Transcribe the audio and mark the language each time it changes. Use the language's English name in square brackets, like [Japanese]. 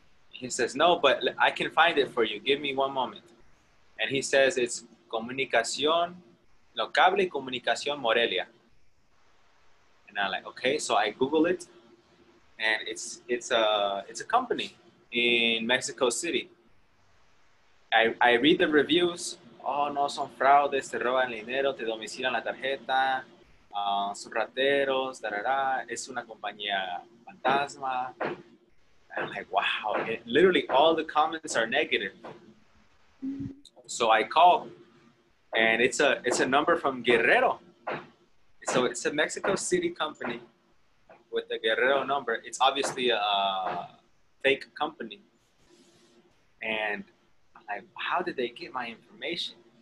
[English] He says, no, but I can find it for you. Give me one moment. And he says it's Comunicación, no, Cable Comunicación Morelia. And I'm like, okay, so I Google it, and it's a company in Mexico City. I read the reviews. [Spanish] Oh, no, son fraudes, te roban dinero, te domicilan la tarjeta, son rateros, tarara, es una compañía fantasma. [English] I'm like, wow, literally all the comments are negative. So I call, and it's a number from Guerrero. So it's a Mexico City company with a Guerrero number. It's obviously a fake company. And I'm like, how did they get my information?